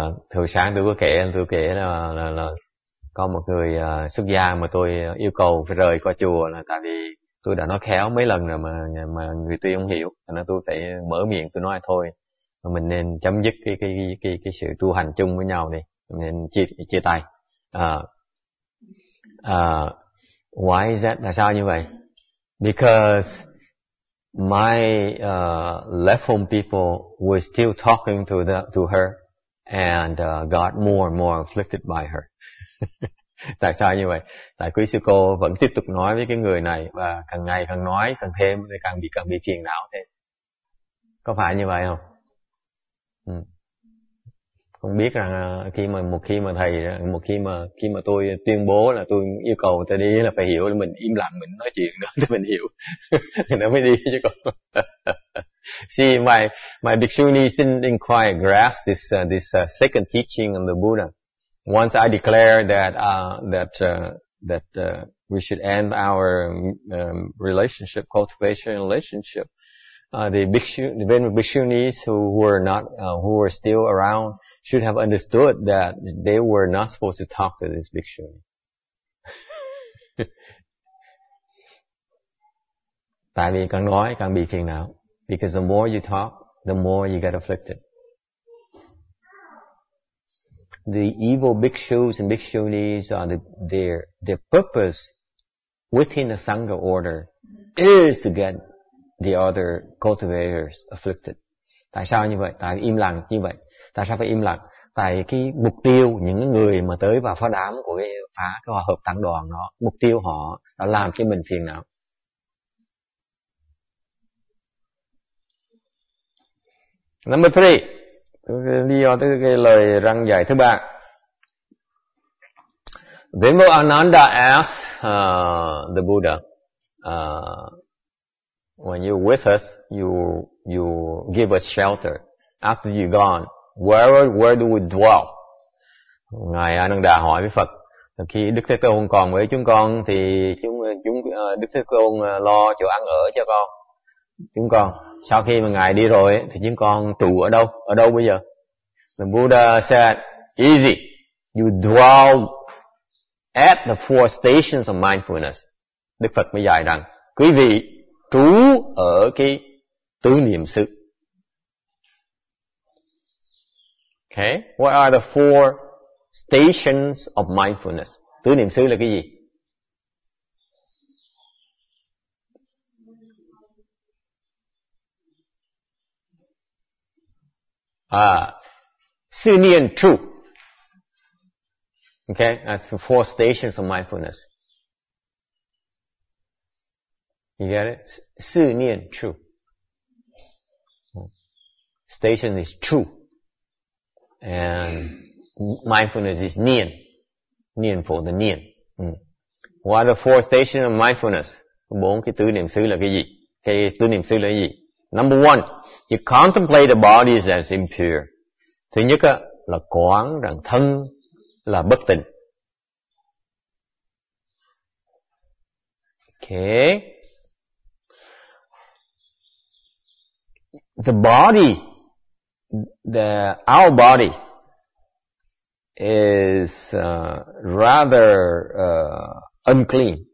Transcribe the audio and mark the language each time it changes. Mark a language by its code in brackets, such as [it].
[vi] Thì hồi sáng tôi có kể là có một người xuất gia mà tôi yêu cầu phải rời qua chùa, là tại vì tôi đã nói khéo mấy lần rồi mà người tuy không hiểu, nên tôi phải mở miệng tôi nói thôi, mình nên chấm dứt cái sự tu hành chung với nhau đi, nên chia tay. [en] Why is that? [vi] Tại sao như vậy? [en] Because my left home people were still talking to her and got more and more afflicted by her. [vi] Tại sao như vậy? Tại quý sư cô vẫn tiếp tục nói với cái người này, và càng ngày càng nói càng thêm, càng bị phiền não thêm. Có phải như vậy không? Không biết rằng khi mà tôi tuyên bố là tôi yêu cầu người ta đi là phải hiểu, là mình im lặng, mình nói chuyện đó để mình hiểu thì nó mới đi chứ còn. [en] See, my bhikshuni didn't quite grasp this second teaching on the Buddha. Once I declare that we should end our relationship, cultivation relationship, the Bhikshunis who were still around should have understood that they were not supposed to talk to this Bhikshuni. [vi] Tại vì càng nói càng bị phiền não. [en] Because the more you talk, the more you get afflicted. The evil bhikshus and bhikshunis are their purpose within the Sangha order is to get the other cultivators afflicted. [vi] Tại sao như vậy? Tại im lặng như vậy. Tại sao phải im lặng? Tại cái mục tiêu những người mà tới vào phá đám của cái phá cái hòa hợp tăng đoàn đó, mục tiêu họ là làm cho mình phiền não. [en] Number three. [vi] Lý do tới cái lời răng dạy thứ ba. [en] Venerable Ananda asked the Buddha, when you're with us, you give us shelter. After you're gone, where do we dwell? [vi] Ngài Ananda hỏi với Phật, khi Đức Thế Tôn còn với chúng con thì Đức Thế Tôn lo chỗ ăn ở cho con. Chúng con sau khi mà ngài đi rồi thì chúng con trụ ở đâu? Ở đâu bây giờ? [en] The Buddha said, easy. You dwell at the four stations of mindfulness. [vi] Đức Phật mới dạy rằng, quý vị trú ở cái tứ niệm xứ. Ok. [en] Okay, what are the four stations of mindfulness? [vi] Tứ niệm xứ là cái gì? Sư niên trụ. [en] Okay, that's the four stations of mindfulness. You get it? [vi] Sư niên trụ. [en] Station is trụ. And mindfulness is niên. Niên for the niên. What are the four stations of mindfulness? [vi] Bốn cái tứ niệm xứ là cái gì? Cái tứ niệm xứ là cái gì? [en] Number one, you contemplate the body as impure. [vi] Thứ nhất á, là quán rằng thân là bất tịnh. [en] Okay. The body, our body is rather unclean.